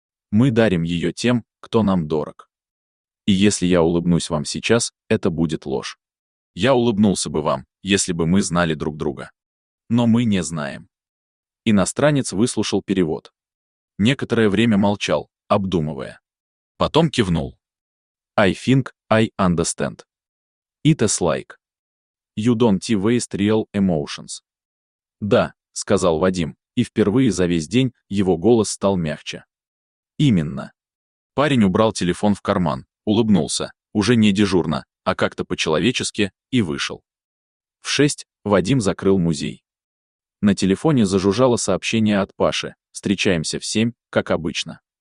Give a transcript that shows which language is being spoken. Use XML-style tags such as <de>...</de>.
<ru>Мы дарим ее тем, кто нам дорог. И если я улыбнусь вам сейчас, это будет ложь. Я улыбнулся бы вам, если бы мы знали друг друга. Но мы не знаем». Иностранец выслушал перевод. Некоторое время молчал, обдумывая. Потом кивнул.</ru> <en>«I think I understand. It is like». You don't waste real emotions.</en> <ru>Да, сказал Вадим, и впервые за весь день его голос стал мягче. Именно. Парень убрал телефон в карман, улыбнулся, уже не дежурно, а как-то по-человечески, и вышел. В 6 Вадим закрыл музей. На телефоне зажужжало сообщение от Паши: встречаемся в 7, как обычно.</ru>